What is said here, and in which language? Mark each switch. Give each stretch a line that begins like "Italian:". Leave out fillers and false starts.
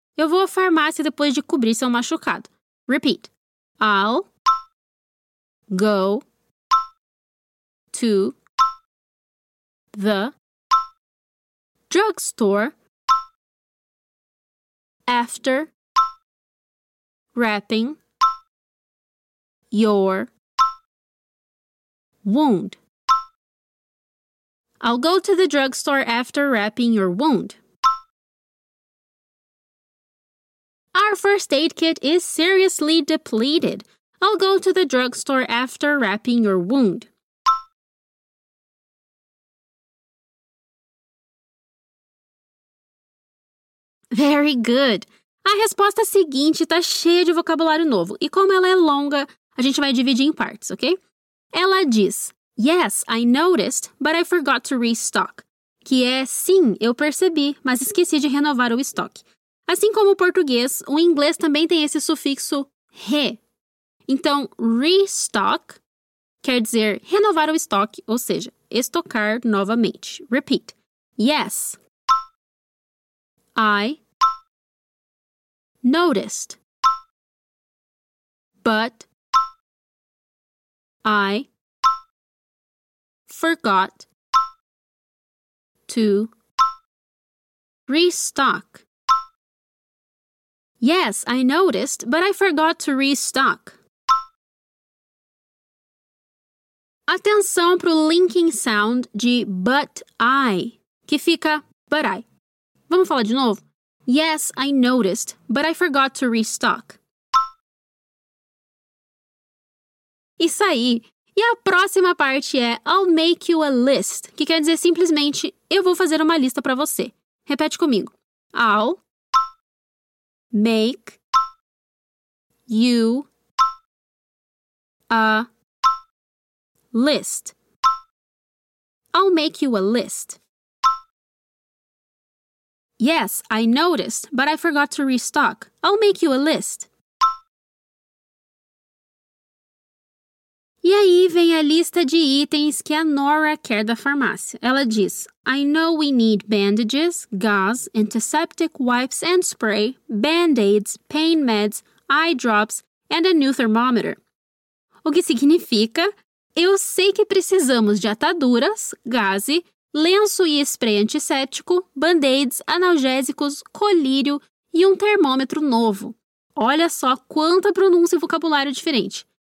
Portuguese: Eu vou à farmácia depois de cobrir seu machucado.
English: Repeat. I'll go to the drugstore after wrapping your wound. I'll go to the drugstore after wrapping your wound. Our first aid kit is seriously depleted. I'll go to the drugstore after wrapping your wound. Very good!
Portuguese: A resposta seguinte está cheia de vocabulário novo. E como ela é longa, a A gente vai dividir em partes, ok? Ela diz,
English: yes, I noticed, but I forgot to restock.
Portuguese: Que é, sim, eu percebi, mas esqueci de renovar o estoque. Assim como o português, o inglês também tem esse sufixo re. Então, restock quer dizer renovar o estoque, ou seja, estocar novamente.
English: Repeat. Yes, I noticed, but I forgot to restock. Yes, I noticed, but I forgot to restock.
Portuguese: Atenção pro linking sound de but I, que fica but I. Vamos falar de novo?
English: Yes, I noticed, but I forgot to restock.
Portuguese: Isso aí. E a próxima parte é
English: I'll make you a list,
Portuguese: que quer dizer simplesmente eu vou fazer uma lista para você. Repete comigo.
English: I'll make you a list. I'll make you a list. Yes, I noticed, but I forgot to restock. I'll make you a list.
Portuguese: E aí vem a lista de itens que a Nora quer da farmácia. Ela diz,
English: I know we need bandages, gauze, antiseptic wipes and spray, band-aids, pain meds, eye drops, and a new thermometer.
Portuguese: O que significa? Eu sei que precisamos de ataduras, gaze, lenço e spray antisséptico, band-aids, analgésicos, colírio e um termômetro novo. Olha só quanta pronúncia e vocabulário diferente.